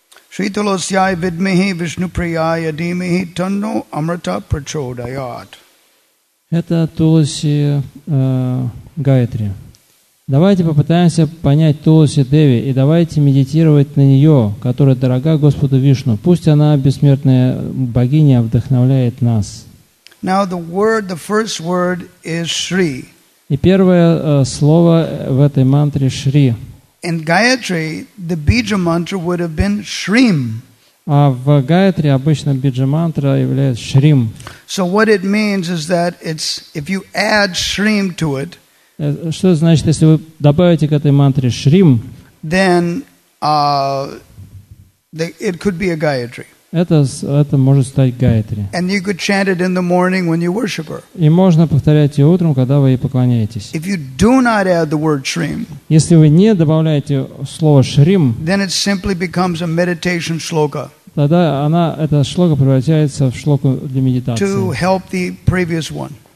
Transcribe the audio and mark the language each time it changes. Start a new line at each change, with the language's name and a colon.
Sanskrit: Шри Тулосьяй Видмихи Вишнуприяя Димихи Танно Амрита Прачодаят.
Russian: Это Тулоси Гайтри. Давайте попытаемся понять Тулоси Деви и давайте медитировать на нее, которая дорога Господу Вишну. Пусть она, бессмертная богиня, вдохновляет нас.
English: Now the word, the first word is Shri.
Russian: И первое слово в этой мантре – Шри.
English: In Gayatri, the Bija mantra would have been Shrim.
Russian: А в Гаятри обычно биджа мантра является Шрим.
English: So what it means is that it's, if you add Shrim to it,
Russian: что значит, если вы добавите к этой мантре Шрим,
English: then it could be a Gayatri.
Russian: Это может стать Гаятри.
English: And you could chant it in the morning when you worship her.
Russian: И можно повторять ее утром, когда вы ей поклоняетесь.
English: If you do not add the word Shrim,
Russian: если вы не добавляете слово Шрим,
English: then it simply becomes a meditation shloka.
Russian: Тогда она, эта шлока превращается в шлоку для медитации.
English: To help the previous one.